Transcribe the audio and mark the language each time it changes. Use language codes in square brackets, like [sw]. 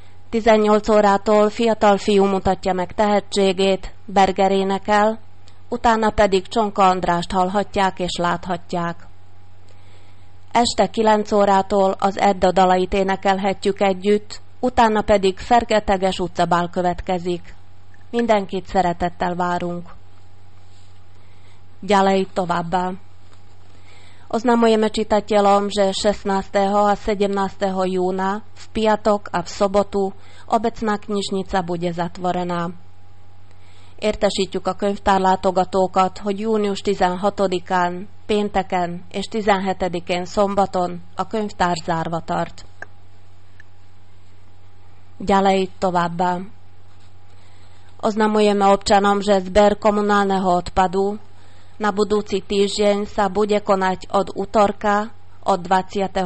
[hu] 18 órától fiatal fiú mutatja meg tehetségét, Berger énekel, utána pedig Csonka Andrást hallhatják és láthatják. Este 9 órától az Edda dalait énekelhetjük együtt, utána pedig Fergeteges utcabál következik. Mindenkit szeretettel várunk. [sk] Ďalej [hu] továbbá. [sk] Oznamujeme čitateľom, že 16. a 17. júna v piatok a v sobotu obecná knižnica bude zatvorená. [hu] Értesítjük a könyvtárlátogatókat, hogy június 16-án, pénteken és 17-én szombaton a könyvtár zárva tart. [sk] Ďalej [hu] továbbá. [sk] Oznamujeme občanom, že zber komunálneho odpadu na budúci týždeň sa bude konať od utorka od 20.